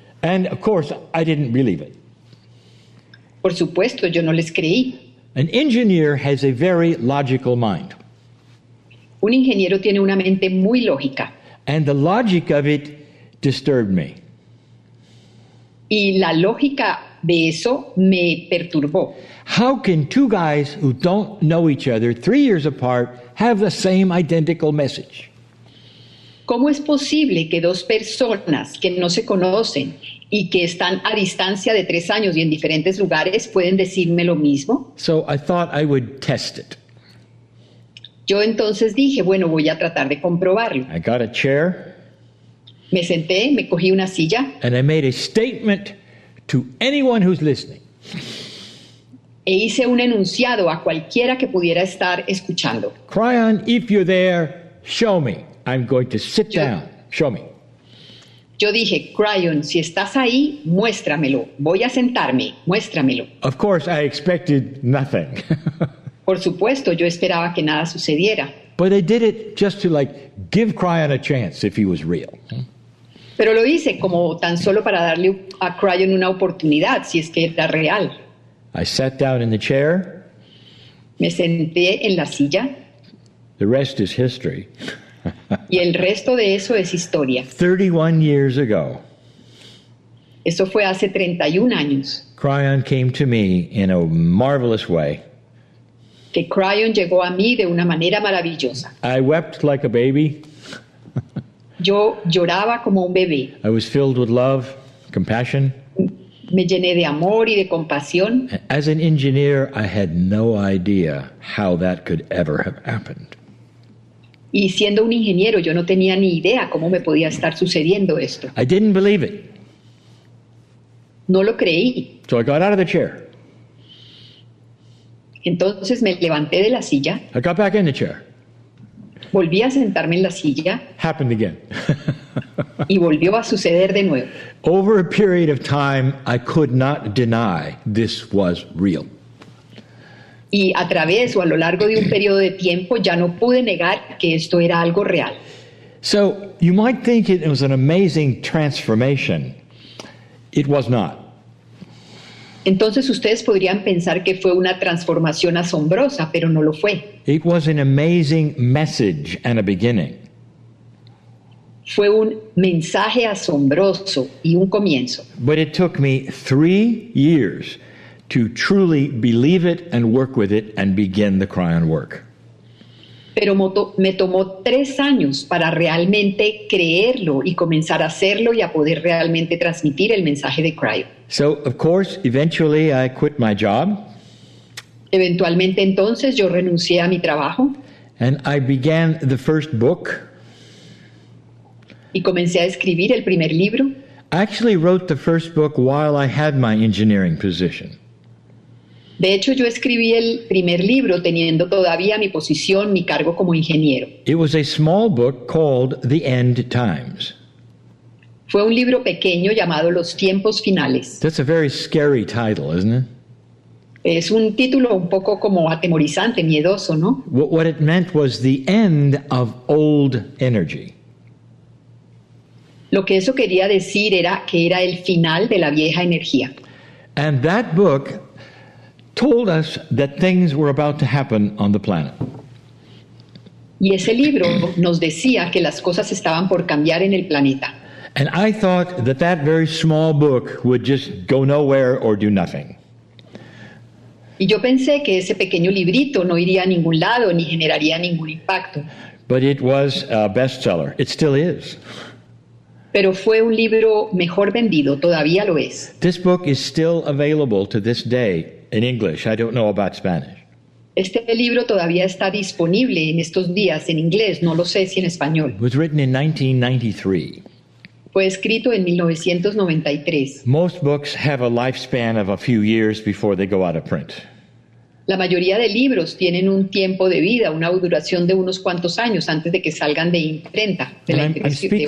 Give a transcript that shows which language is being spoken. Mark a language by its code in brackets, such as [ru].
[en] And of course, I didn't believe it. [es] Por supuesto, yo no les creí. [en] An engineer has a very logical mind. [es] Un ingeniero tiene una mente muy lógica. [en] And the logic of it disturbed me. [es] Y la lógica de eso me perturbó. [en] How can two guys who don't know each other, 3 years apart, have the same identical message? [es] ¿Cómo es posible que dos personas que no se conocen y que están a distancia de tres años y en diferentes lugares pueden decirme lo mismo? [en] So I thought I would test it. [es] Yo entonces dije, bueno, voy a tratar de comprobarlo. [en] I got a chair. [es] Me senté, me cogí una silla. [en] And I made a statement to anyone who's listening. [es] E hice un enunciado a cualquiera que pudiera estar escuchando. [en] Cryon, if you're there, show me. I'm going to sit down. Show me. [es] Yo dije, Cryon, si estás ahí, muéstramelo. Voy a sentarme. Muéstramelo. [en] Of course, I expected nothing. [es] Por supuesto, yo esperaba que nada sucediera. [en] But I did it just to, like, give Cryon a chance if he was real. [es] Pero lo hice como tan solo para darle a Cryon una oportunidad, si es que era real. [en] I sat down in the chair. [es] Me senté en la silla. [en] The rest is history. [es] Y el resto de eso es historia. [en] 31 years ago. [es] Eso fue hace 31 años. [en] Cryon came to me in a marvelous way. [es] Que Cryon llegó a mí de una manera maravillosa. [en] I wept like a baby. [es] Yo lloraba como un bebé. [en] I was filled with love, compassion. [es] Me llené de amor y de compasión. [en] As an engineer, I had no idea how that could ever have happened. [es] Y siendo un ingeniero, yo no tenía ni idea cómo me podía estar sucediendo esto. [en] I didn't believe it. [es] No lo creí. [en] So I got out of the chair. [es] Entonces me levanté de la silla. [en] I got back in the chair. [es] Volví a sentarme en la silla. [en] Happened again. [es] Y volvió a suceder de nuevo. [en] Over a period of time, I could not deny this was real. [es] Y a través o a lo largo de un periodo de tiempo, ya no pude negar que esto era algo real. [en] So, you might think it was an amazing transformation. It was not. [es] Entonces ustedes podrían pensar que fue una transformación asombrosa, pero no lo fue. [en] It was an amazing message and a beginning. [es] Fue un mensaje asombroso y un comienzo. [en] But it took me 3 years to truly believe it and work with it and begin the Cryon work. [es] Pero me tomó 3 años para realmente creerlo y comenzar a hacerlo y a poder realmente transmitir el mensaje de Cryon. [en] So, of course, eventually I quit my job. [es] Eventualmente entonces yo renuncié a mi trabajo. [en] And I began the first book. [es] Y comencé a escribir el primer libro. [en] I actually wrote the first book while I had my engineering position. [es] De hecho, yo escribí el primer libro teniendo todavía mi posición, mi cargo como ingeniero. [en] It was a small book called The End Times. [es] Fue un libro pequeño llamado Los Tiempos Finales. [en] That's a very scary title, isn't it? [es] Es un título un poco como atemorizante, miedoso, ¿no? [en] What it meant was the end of old energy. [es] Lo que eso quería decir era que era el final de la vieja energía. [en] And that book told us that things were about to happen on the planet. [es] Y ese libro nos decía que las cosas estaban por cambiar en el planeta. [en] And I thought that that very small book would just go nowhere or do nothing. [es] Y yo pensé que ese pequeño librito no iría a ningún lado ni generaría ningún impacto. [en] But it was a bestseller. It still is. [es] Pero fue un libro mejor vendido, todavía lo es. [en] This book is still available to this day in English. I don't know about Spanish. [es] Este libro todavía está disponible en estos días en inglés, no lo sé si en español. [en] It was written in 1993. [es] Fue escrito en 1993. [en] Most books have a lifespan of a few years before they go out of print. [es] La mayoría de libros tienen un tiempo de vida, una duración de unos cuantos años antes de que salgan de imprenta, de